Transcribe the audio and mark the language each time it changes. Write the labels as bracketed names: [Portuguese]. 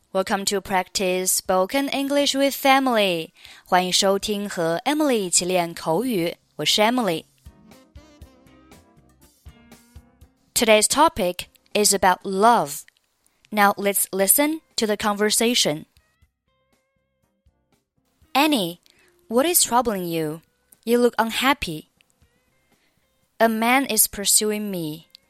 [English] Welcome to practice spoken English with Emily. [Chinese] 欢迎收听和 Emily 一起练口语。我是 Emily. [English] Today's topic is about love. Now let's listen to the conversation. Annie, what is troubling you? You look unhappy. A man is pursuing me.